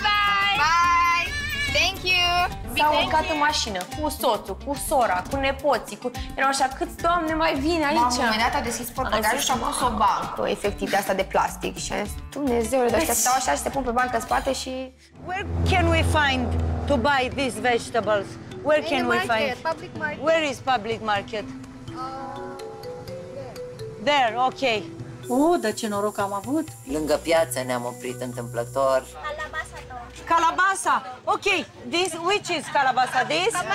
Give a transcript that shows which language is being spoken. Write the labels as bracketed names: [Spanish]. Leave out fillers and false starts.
[English] Bye! Bye. Thank you! [Romanian] S-au urcat în mașină cu soțul, cu sora, cu nepoții, cu... Erau așa, câți doamne mai vine aici? La un moment dat a deschis portbagajul și a pus o bancă, efectiv, de asta de plastic. Și a zis, Dumnezeule, dar ăștia stau așa și se pun pe bancă în spate și... [English] Where can we find to buy these vegetables? Where can we find? Public market. Where is public market? There. Okay. [Romanian] Oh, dar ce noroc am avut! Lângă piață ne-am oprit întâmplător. [Filipino] Calabasa. [English] Okay, this which is calabasa this?